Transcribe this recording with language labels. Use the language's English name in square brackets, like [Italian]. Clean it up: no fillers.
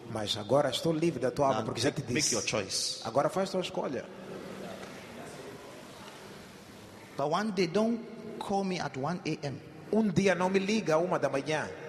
[Portuguese] Mas agora estou livre da tua alma porque já te disse. [English] Make your choice. [Portuguese] Agora faz tua escolha. [English] But one day don't call me at 1 a.m. [Portuguese] Um dia não me liga a 1 da manhã.